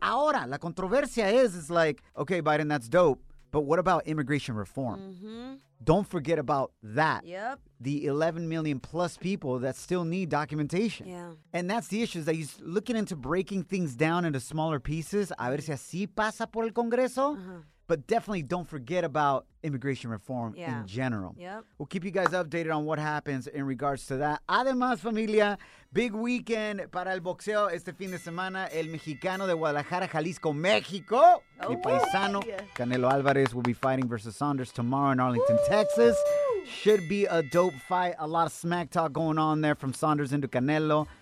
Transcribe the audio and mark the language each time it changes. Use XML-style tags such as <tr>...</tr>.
<es>Ahora, la controversia</es> <en>is like, okay, Biden, that's dope, but what about immigration reform? Mm-hmm. Don't forget about that. Yep. The 11 million plus people that still need documentation. Yeah. And that's the issue, is that he's looking into breaking things down into smaller pieces.</en> <es>A ver si así pasa por el Congreso.</es> <en>But definitely don't forget about immigration reform in general. Yep. We'll keep you guys updated on what happens in regards to that.</en> <es>Además, familia,</es> <en>big weekend</en> <es>para el boxeo este fin de semana. El mexicano de Guadalajara, Jalisco, México. Oh, mi paisano,</es> <en>Canelo Álvarez, will be fighting versus Saunders tomorrow in Arlington, Texas. Should be a dope fight. A lot of smack talk going on there from Saunders into Canelo.</en>